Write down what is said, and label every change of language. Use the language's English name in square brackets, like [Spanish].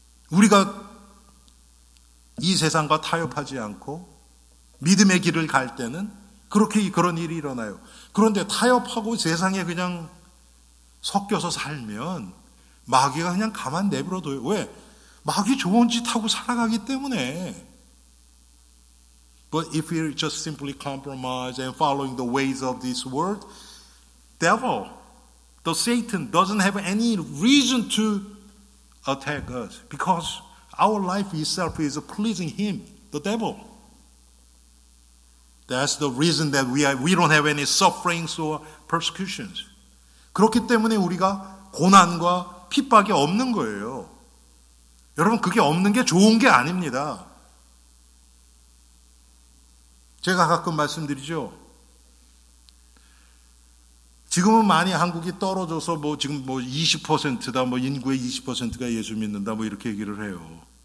[Korean] 우리가 이 세상과 타협하지 않고 믿음의 길을 갈 때는 그렇게 그런 일이 일어나요. 그런데 타협하고 세상에 그냥 섞여서 살면 마귀가 그냥 가만 내버려 둬요. 왜? 마귀 좋은 짓 하고 살아가기 때문에. [English] But if we just simply compromise and following the ways of this world, devil, the Satan doesn't have any reason to attack us because our life itself is pleasing him, the devil. That's the reason that we don't have any sufferings or persecutions. [Korean] 그렇기 때문에 우리가 고난과 핍박이 없는 거예요. 여러분, 그게 없는 게 좋은 게 아닙니다. 제가 가끔 말씀드리죠. 지금은 많이 한국이 떨어져서 뭐 지금 뭐 20%다, 뭐 인구의 20%가 예수 믿는다, 뭐 이렇게 얘기를 해요.